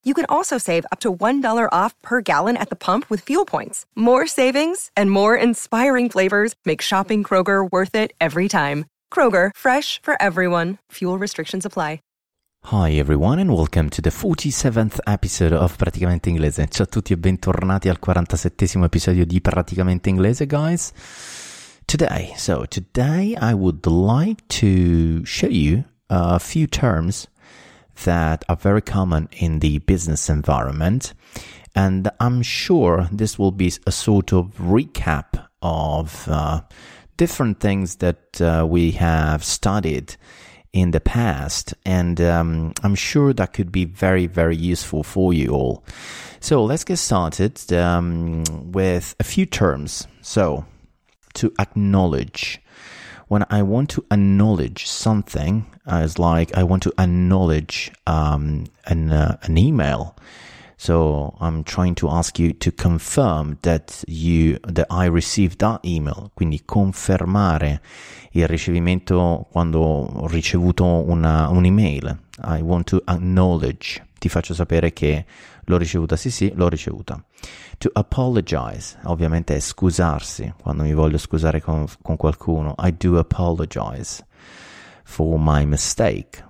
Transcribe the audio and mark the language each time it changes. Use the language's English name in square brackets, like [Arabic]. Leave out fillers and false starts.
[English] You can also save up to $1 off per gallon at the pump with fuel points. More savings and more inspiring flavors make shopping Kroger worth it every time. Kroger, fresh for everyone. Fuel restrictions apply. Hi everyone and welcome to the 47th episode of Praticamente Inglese. [Italian] Ciao a tutti e bentornati al 47th episodio di Praticamente Inglese, guys. [English] Today I would like to show you a few terms that are very common in the business environment. And I'm sure this will be a sort of recap of different things that we have studied in the past, and I'm sure that could be very, very useful for you all. So let's get started with a few terms. So to acknowledge, when I want to acknowledge something, it's like I want to acknowledge an email. So I'm trying to ask you to confirm that I received that email. [Italian] Quindi confermare il ricevimento quando ho ricevuto un'email. [English] I want to acknowledge. [Italian] Ti faccio sapere che l'ho ricevuta. Sì, sì, l'ho ricevuta. [English] To apologize. [Italian] Ovviamente è scusarsi. Quando mi voglio scusare con qualcuno. [English] I do apologize for my mistake.